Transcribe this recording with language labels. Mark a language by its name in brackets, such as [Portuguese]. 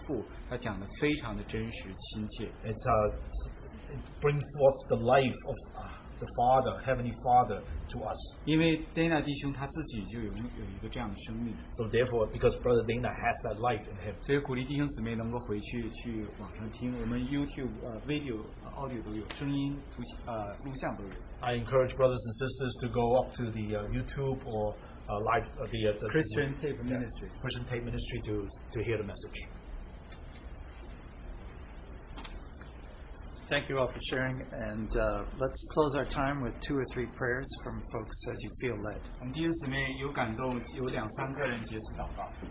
[Chinese] 所以在这次信息当中，他讲到我们神是天父，他讲的非常的真实亲切。 [English] It brings forth the life of the Father, Heavenly Father. To us. So therefore, because Brother Dana has that life in him. [Chinese] 所以鼓励弟兄姊妹能够回去去网上听，我们 [English] YouTube video audio [Chinese] 都有，声音图录像都有。 [English] I encourage brothers and sisters to go up to the YouTube or live the Christian Tape Ministry. Yeah, Christian Tape Ministry to hear the message. Thank you all for sharing, and let's close our time with two or three prayers from folks as you feel led. [Chinese] 我们弟兄姊妹有感动，有两三个人结束祷告。